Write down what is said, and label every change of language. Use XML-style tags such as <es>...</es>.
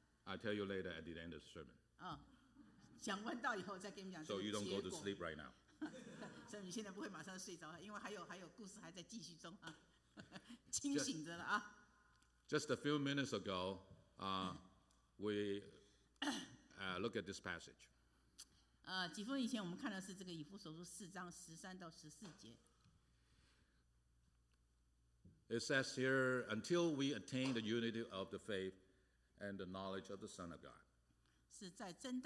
<en>I'll tell you later at the end of the sermon.</en> <zh>讲完道以后再跟你讲。</zh> <en>So you don't go to sleep right now.</en> <zh>所以你现在不会马上睡着，因为还有故事还在继续中啊。清醒着了啊！</zh> <en>Just a few minutes ago, we look at this passage.</en> <zh>几分以前我们看的是这个以弗所书4:13-14节。</zh> <en>It says here, "Until we attain the unity of the faith and the knowledge of the Son of God."</en>